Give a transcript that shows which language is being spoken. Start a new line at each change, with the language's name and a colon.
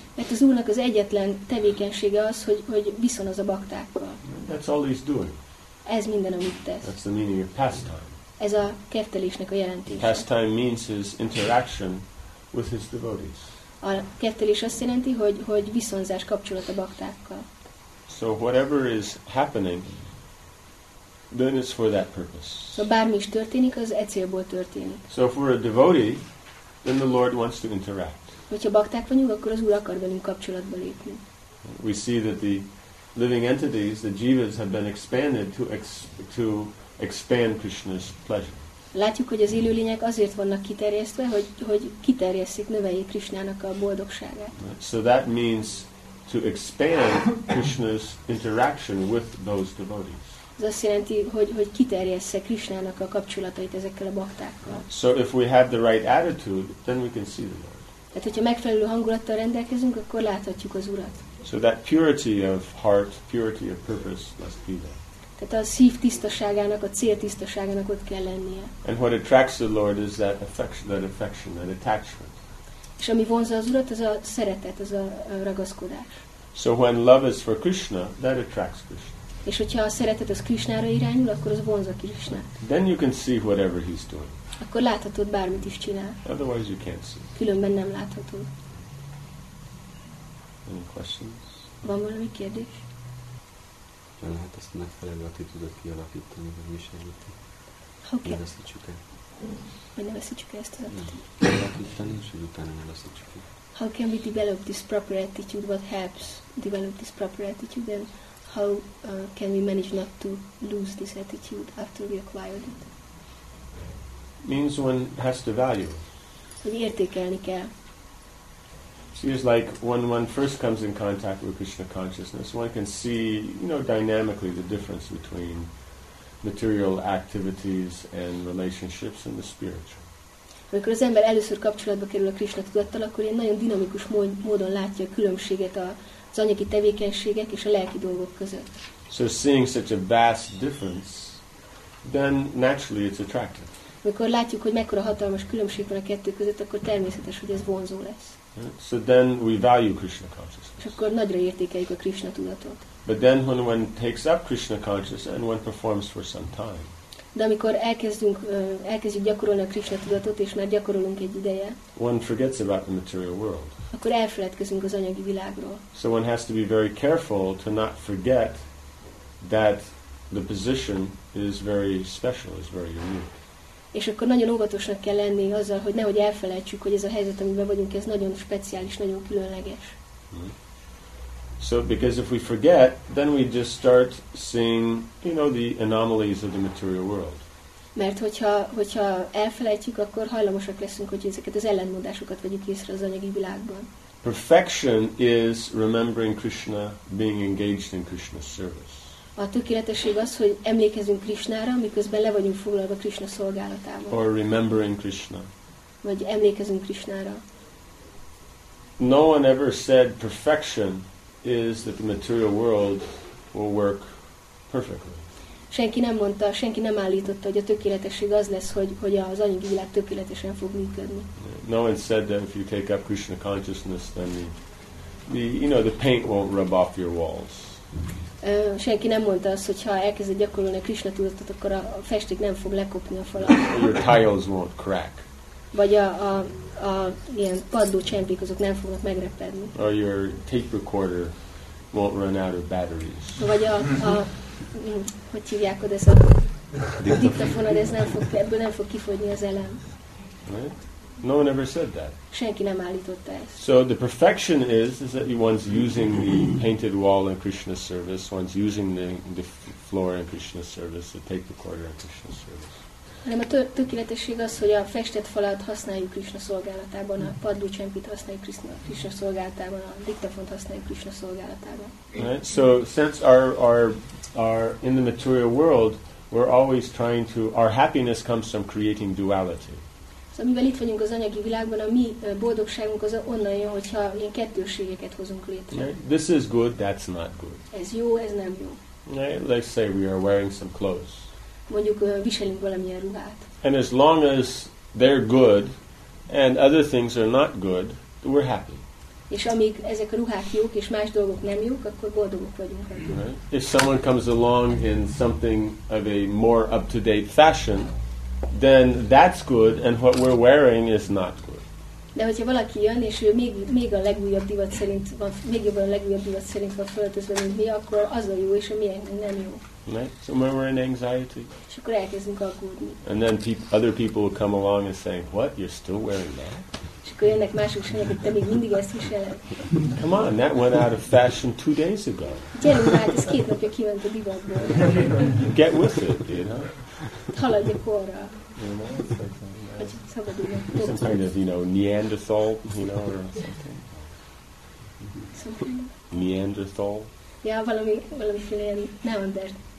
Hungarian: Mert az Úrnak az egyetlen tevékenysége az, hogy viszonoz a baktákkal.
English: That's all he's doing.
Hungarian: Ez minden, amit tesz.
English: That's the meaning of pastime.
Hungarian: Ez a kertelésnek a jelentése.
English: Pastime means his interaction with his devotees.
Hungarian: A kertelés azt jelenti, hogy viszonzás kapcsolat a baktákkal.
English: So whatever is happening, then it's for that purpose.
Hungarian: So bármi is történik, az e célból történik.
English: So if we're a devotee, then the Lord wants to interact.
Hungarian: Hogyha bakták vagyunk, akkor az Úr akar velünk kapcsolatba lépni.
English: We see that the living entities, the jivas, have been expanded to expand Krishna's pleasure.
Hungarian: Látjuk, hogy az élőlények azért vannak kiterjesztve, hogy kiterjesszik, növeljék Krishnának a boldogságát.
English: So that means to expand Krishna's interaction with those devotees.
Hungarian: Ez azt jelenti, hogy kiterjessze Krishnának a kapcsolatait ezekkel a baktákkal.
English: So if we have the right attitude, then we can see the Lord.
Hungarian: Tehát, hogyha megfelelő hangulattal rendelkezünk, akkor láthatjuk az Urat.
English: So that purity of heart, purity of purpose must be there.
Hungarian: Tehát a szív tisztaságának, a cél tisztaságának ott kell lennie.
English: And what attracts the Lord is that affection, that attachment.
Hungarian: És ami vonza az Urat, az a szeretet, az a ragaszkodás.
English: So when love is for Krishna, that attracts Krishna.
Hungarian: És hogyha a szeretet az Krisnára irányul, akkor az vonza Krisnát.
English: Then you can see whatever he's doing.
Hungarian: Akkor láthatod, bármit is csinál.
English: Otherwise you can't see.
Hungarian: Különben nem láthatod.
English: Any questions?
Hungarian: Van valami kérdés? Nem lehet ezt megfelelő attitúdot kialakítani, vagy viselíti.
English: Okay.
Hungarian: Ne veszítsük el. Vagy ne veszítsük el ezt az attitúdot. Kialakítani, és hogy utána ne veszítsük el.
English: How can we develop this proper attitude? What helps develop this proper attitude? And how can we manage not to lose this attitude after we acquired it? Means one has to value.
Hungarian: Hogy értékelni kell.
English: See, it's like when one first comes in contact with Krishna consciousness, one can see, you know, dynamically the difference between material activities and relationships and the spiritual.
Hungarian: Amikor az ember először kapcsolatba kerül a Krishna tudattal, akkor ilyen nagyon dinamikus módon látja a különbséget az anyagi tevékenységek és a lelki dolgok között.
English: So seeing such a vast difference, then naturally it's attractive.
Hungarian: Amikor látjuk, hogy mekkora hatalmas különbség van a kettő között, akkor természetes, hogy ez vonzó lesz.
English: So then we value Krishna consciousness.
Hungarian: És akkor nagyra értékeljük a Krishna tudatot.
English: But then when one takes up Krishna consciousness and one performs for some time.
Hungarian: De amikor elkezdjük gyakorolni a Krishna tudatot, és már gyakorolunk egy ideje.
English: One forgets about the material world.
Hungarian: Akkor elfeledkezünk az anyagi világról.
English: So one has to be very careful to not forget that the position is very special, is very unique.
Hungarian: És akkor nagyon óvatosnak kell lenni azzal, hogy nehogy elfelejtsük, hogy ez a helyzet, amiben vagyunk, ez nagyon speciális, nagyon különleges.
English: So because if we forget, then we just start seeing, you know, the anomalies of the material world.
Hungarian: Mert hogyha elfelejtjük, akkor hajlamosak leszünk, hogy ezeket az ellentmondásokat vegyük észre az anyagi világban.
English: Perfection is remembering Krishna, being engaged in Krishna's service.
Hungarian: A tökéletesség az, hogy emlékezünk Krishnára, miközben le vagyunk foglalva Krishna szolgálatában.
English: Or remembering Krishna.
Hungarian: Vagy emlékezünk Krishnára.
English: No one ever said perfection is that the material world will work perfectly.
Hungarian: Senki nem mondta, senki nem állította, hogy a tökéletesség az lesz, hogy az anyagi világ tökéletesen fog működni.
English: No one said that if you take up Krishna consciousness, then the you know the paint won't rub off your walls.
Hungarian: Senki nem mondta azt, hogy ha elkezded gyakorolni a Krishna tudatot, akkor a festék nem fog lekopni a falon.
English: Your tiles won't crack.
Hungarian: Vagy a ilyen padló csempék azok nem fognak megrepedni.
English: Or your tape recorder won't run out of batteries.
Hungarian: Vagy a hogy hívják oda ez a diktafonod, ez nem fog, ebből nem fog kifogyni az elem.
English: Right? No one ever said that.
Hungarian: Senki nem állította ezt.
English: So the perfection is that one's using the painted wall in Krishna's service, one's using the floor in Krishna's service, the tape recorder in Krishna's service.
Hungarian: Hanem a tökéletesség az, hogy a festett falat használjuk Krishna szolgálatában, a padlócsempit használjuk Krishna szolgálatában, a diktafont használjuk Krishna szolgálatában.
English: Right? So since our in the material world, we're always trying to, our happiness comes from creating duality.
Hungarian: Szóval mivel itt vagyunk az anyagi világban, a mi boldogságunk az onnan jön, hogyha ilyen kettőségeket hozunk létre.
English: Right? This is good, that's not good.
Hungarian: Ez jó, ez nem jó.
English: Right? Let's say we are wearing some clothes.
Hungarian: Mondjuk viselünk valamilyen ruhát.
English: And as long as they're good and other things are not good, we're happy.
Hungarian: És amíg ezek a ruhák jók és más dolgok nem jók, akkor boldogok vagyunk.
English: Right. If someone comes along in something of a more up-to-date fashion, then that's good and what we're wearing is not good.
Hungarian: De hogyha valaki jön és ő még a legújabb divat szerint van, még jobban a legújabb divat szerint van föltözve, mint mi, akkor az a jó és a miénk nem jó.
English: Right? So when we're in anxiety,
Hungarian: és akkor elkezdünk aggódni.
English: And then other people will come along and say, "What? You're still wearing that?"
Hungarian: És akkor jönnek mások, és mondják, hogy te még mindig ezt viseled.
English: Come on, that went out of fashion 2 days ago.
Hungarian: Gyerünk már, ez 2 napja kiment a divatból.
English: Get with it, you know.
Hungarian: Haladj a korra. Hogy szabadulj.
English: Some kind of, you know, Neanderthal, you know, or something. Neanderthal.
Hungarian: Ja, valamiféle ilyen neandertal.